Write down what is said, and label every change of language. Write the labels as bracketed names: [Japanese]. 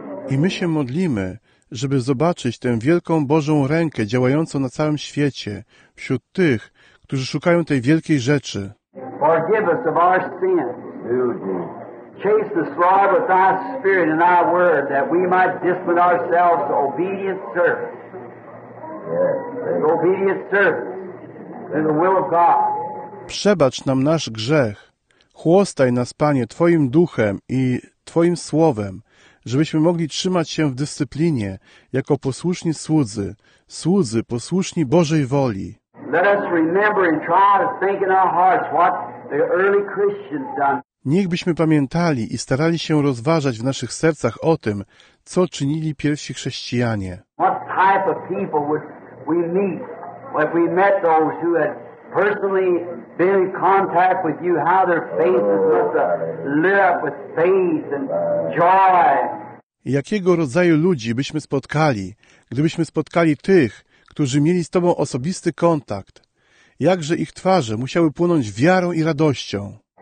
[Polish] I my się modlimy, żeby zobaczyć tę wielką Bożą rękę działającą na całym świecie, wśród tych, którzy szukają tej wielkiej rzeczy. [English] Forgive us of our sins. Chase the slaughter with thy spirit and thy word, that we might discipline ourselves to obedient service. Yes. Obedient service in the will of God. [Polish] Przebacz nam nasz grzech. Chłostaj nas, Panie, Twoim duchem i Twoim słowem, żebyśmy mogli trzymać się w dyscyplinie jako posłuszni słudzy posłuszni Bożej woli. [English] Let us remember and try to think in our hearts what the early Christians done. [Polish] Niechbyśmy pamiętali i starali się rozważać w naszych sercach o tym, co czynili pierwsi chrześcijanie. [English] What type of people would we meet when we met those who had personally been in contact with you, how their faces looked lit up with faith and joy. [Polish] Jakiego rodzaju ludzi byśmy spotkali, gdybyśmy spotkali tych, którzy mieli z Tobą osobisty kontakt? Jakże ich twarze musiały płonąć wiarą i radością?